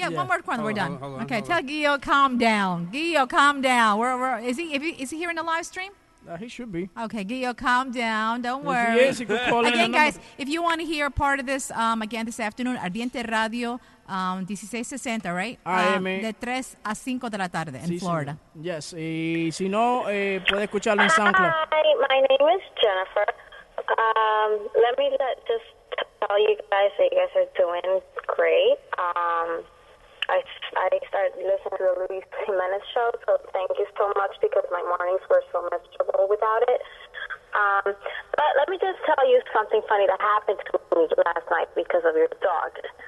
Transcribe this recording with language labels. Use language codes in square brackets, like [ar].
[en] Yeah, one more call and we're done. Hold on, okay, tell Guillo calm down. Guillo, calm down. Is he here in the live stream? He should be. Okay, Guillo, calm down. Don't worry. Yes, he could call in. Again, guys, if you want to hear part of this, again, this afternoon, Ardiente Radio, 1660, right? [es] De 3 a 5 de la tarde en Florida. Sí. Yes, y si no, puede escucharlo en SoundCloud. [en] Hi, my name is Jennifer. Let me just tell you guys that you guys are doing great. I started listening to the Luis Jimenez show, so thank you so much because my mornings were so miserable without it. But let me just tell you something funny that happened to me last night because of your dog.